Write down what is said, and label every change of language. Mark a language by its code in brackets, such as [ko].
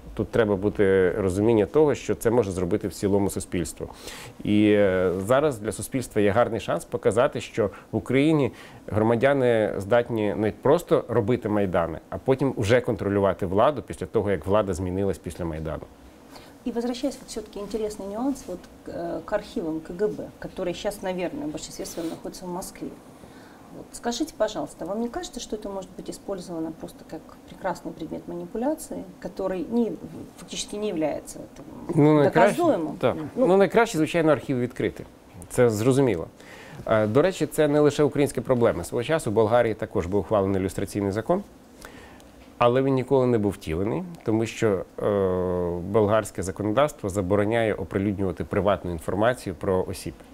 [uk] Тут треба бути розуміння того, що це може зробити в цілому суспільству. І зараз для суспільства є гарний шанс показати, що в Україні громадяни здатні не просто робити майдани, а потім вже контролювати владу після того, як влада змінилась після майдану. [ru] И возвращаясь, вот все-таки интересный нюанс вот к архивам КГБ, которые сейчас, наверное, в большинстве своем находятся в Москве. Вот, скажите, пожалуйста, вам не кажется, что это может быть использовано просто как прекрасный предмет манипуляции, который фактически не является доказуемым? [uk] Ну, найкраще, звичайно, архів відкрити. Це зрозуміло. До речі, це не лише українська проблема. Свого часу в Болгарії також був ухвалений люстраційний закон, але він ніколи не був втілений, тому що болгарське законодавство забороняє оприлюднювати приватну інформацію про осіб.